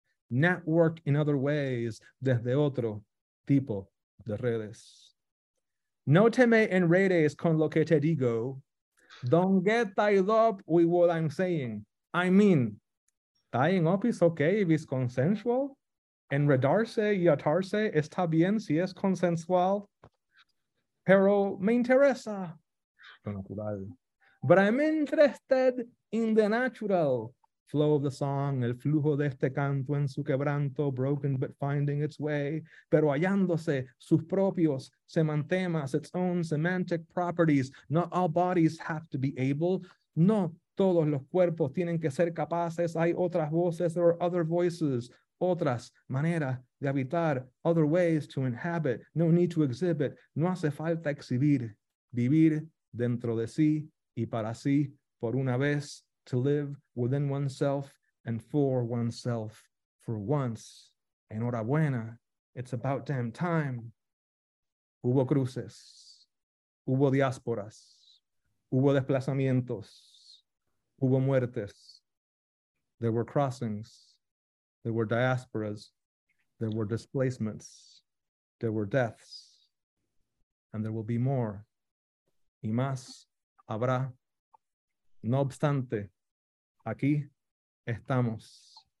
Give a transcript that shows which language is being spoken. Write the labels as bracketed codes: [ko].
[en] Network in other ways [es] desde otro tipo de redes. No te me enredes con lo que te digo. [en] Don't get tied up with what I'm saying. I mean, tying up is okay if it's consensual. [es] Enredarse y atarse está bien si es consensual. Pero me interesa. [en] But I'm interested in the natural flow of the song, [es] el flujo de este canto en su quebranto, [en] broken but finding its way, [es] pero hallándose sus propios semantemas, [en] its own semantic properties. Not all bodies have to be able. [es] No todos los cuerpos tienen que ser capaces. Hay otras voces, [en] there are other voices. [es] Otras maneras de habitar, [en] other ways to inhabit, no need to exhibit, [es] no hace falta exhibir, vivir dentro de sí y para sí, por una vez, [en] to live within oneself and for oneself, for once, [es] enhorabuena, [en] it's about damn time. [es] Hubo cruces, hubo diásporas, hubo desplazamientos, hubo muertes. [en] There were crossings, there were diasporas, there were displacements, there were deaths, and there will be more. [es] Y más habrá. No obstante, aquí estamos.